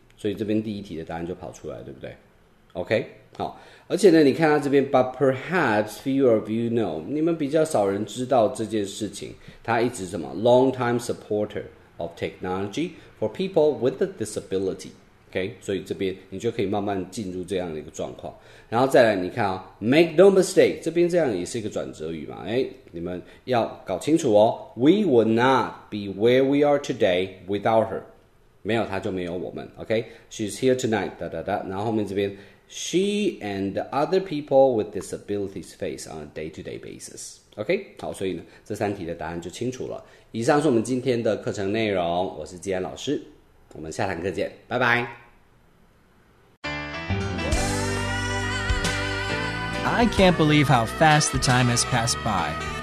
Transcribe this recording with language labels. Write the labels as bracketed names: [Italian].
[Chinese] 所以这边第一题的答案就跑出来，对不对 ？OK， 好。而且呢，你看到这边 ， [English] But perhaps few of you know， [Chinese] 你们比较少人知道这件事情。他一直什么 [English] ，long time supporter of technology for people with a disability. [Chinese] OK， 所以这边你就可以慢慢进入这样的一个状况。然后再来，你看啊、哦、， [English] Make no mistake， [Chinese] 这边这样也是一个转折语嘛，哎。你们要搞清楚哦 [English] ，We would not be where we are today without her. [Chinese] 没有她就没有我们 ，OK? [English] She's here tonight. 哒哒哒。 [Chinese] 然后后面这边 [English] ，She and other people with disabilities face on a day-to-day basis. OK? [Chinese] 好，所以呢，这三题的答案就清楚了。以上是我们今天的课程内容。我是季安老师，我们下堂课见，拜拜。 [English] I can't believe how fast the time has passed by.